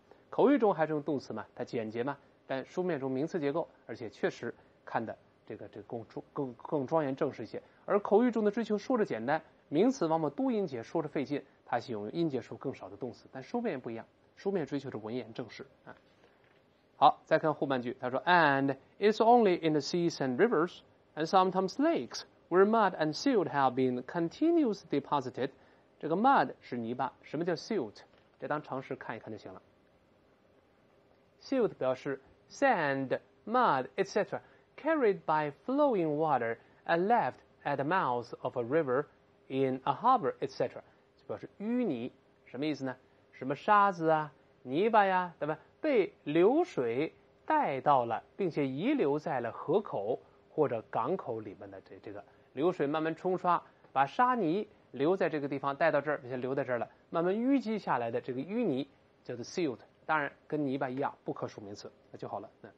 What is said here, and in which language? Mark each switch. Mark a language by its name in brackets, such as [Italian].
[Chinese] 口语中还是用动词嘛，它简洁嘛，但书面中名词结构，而且确实看的。这个更庄严正式一些，而口语中的追求说着简单，名词往往多音节说着费劲，它喜欢用音节数更少的动词，但书面也不一样，书面追求着文言正式啊。好，再看后半句，他说 [English] ，And it's only in the seas and rivers and sometimes lakes where mud and silt have been continuously deposited。这个 mud 是泥巴，什么叫 silt？这当常识看一看就行了。 silt [Chinese] 表示 [English] sand, mud, etc.。 Carried by flowing water and left at the mouth of a river, in a harbor, etc. [Chinese] 就表示淤泥，什么意思呢？什么沙子啊、泥巴呀，对吧？被流水带到了，并且遗留在了河口或者港口里面的这个流水慢慢冲刷，把沙泥留在这个地方，带到这儿，并且留在这儿了，慢慢淤积下来的这个淤泥叫做 silt， 当然跟泥巴一样，不可数名词，那就好了。